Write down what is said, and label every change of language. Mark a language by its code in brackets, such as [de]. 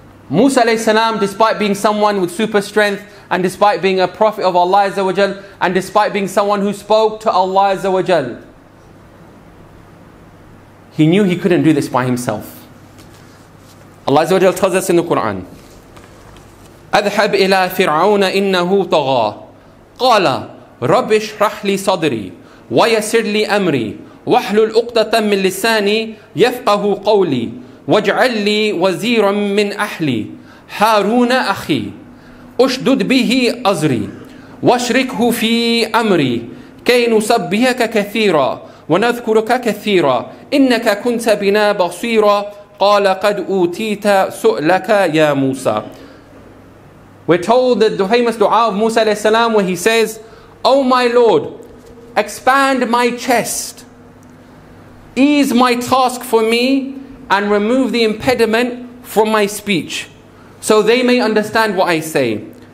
[en] Musa alayhi salam, despite being someone with super strength, and despite being a prophet of Allah Azza wa Jal, and despite being someone who spoke to Allah Azza wa Jal, he knew he couldn't do this by himself. [ar] Allah Azza wa Jal tells us in the Quran, أَذْحَبْ إِلَىٰ فِرْعَوْنَ إِنَّهُ طَغَىٰ قَالَ رَبِّ اشْرَحْ لِي صَدْرِي وَيَسِرْ لِي أَمْرِي وَحْلُلْ أُقْدَةً مِّن لِسَانِي يَفْقَهُ قَوْلِي وَاجْعَلْ لِي وَزِيرًا مِّنْ أَحْلِي هَارُونَ أَخِي أُشْدُدْ بِهِ أَزْرِي وَأَشْرِكْهُ فِي أَمْرِي كَيْ نُسَبِّحَكَ كَثِيرًا وَنَذْكُرُكَ كَثِيرًا إِنَّكَ كُنْتَ بِنَا بَصِيرًا قَالَ قَدْ أُوتِيتَ سُؤْلَكَ يَا مُوسَى. [en] We're told that the famous dua of Musa alayhi salam, where he says, oh my Lord, expand my chest, ease my task for me, and remove the impediment from my speech, so they may understand what I say.